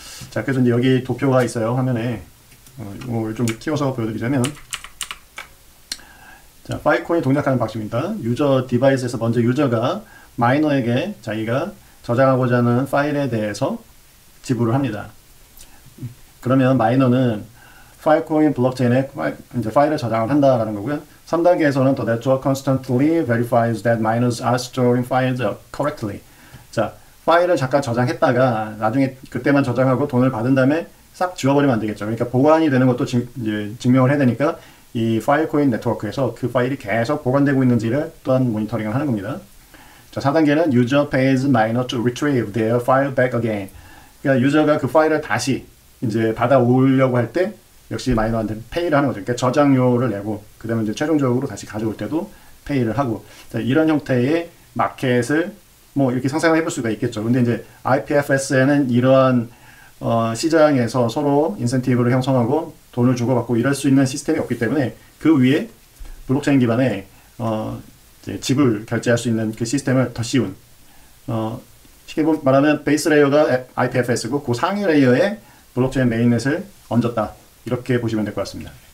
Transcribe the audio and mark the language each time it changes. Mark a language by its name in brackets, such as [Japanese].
[Korean] 자, 그래서 이제 여기 도표가 있어요. 화면에 이걸 좀 키워서 보여드리자면 자, 파일코인이 동작하는 방식입니다. 유저 디바이스에서 먼저 유저가 마이너에게 자기가 저장하고자 하는 파일에 대해서 지불을 합니다. 그러면 마이너는 파일코인 블록체인에 파일을 저장을 한다라는 거고요. 3단계에서는 [English] The network constantly verifies that miners are storing files correctly. [Korean] 자, 파일을 잠깐 저장했다가 나중에 그때만 저장하고 돈을 받은 다음에 싹 지워버리면 안 되겠죠. 그러니까 보관이 되는 것도 증명을 해야 되니까 이 파일코인 네트워크에서 그 파일이 계속 보관되고 있는지를 또한 모니터링을 하는 겁니다. 자, 4단계는 [English] user pays miner to retrieve their file back again. [Korean] 그러니까 유저가 그 파일을 다시 이제 받아오려고 할때 역시 마이너한테 페이를 하는 거죠. 그러니까 저장료를 내고 그다음에 이제 최종적으로 다시 가져올 때도 페이를 하고. 자, 이런 형태의 마켓을 뭐 이렇게 상상을 해볼 수가 있겠죠. 근데 이제 IPFS에는 이러한 시장에서 서로 인센티브를 형성하고 돈을 주고받고 이럴 수 있는 시스템이 없기 때문에 그 위에 블록체인 기반의 지불 결제할 수 있는 그 시스템을 더 쉬운 쉽게 말하면 베이스 레이어가 IPFS고 그 상위 레이어에 블록체인 메인넷을 얹었다 이렇게 보시면 될것 같습니다.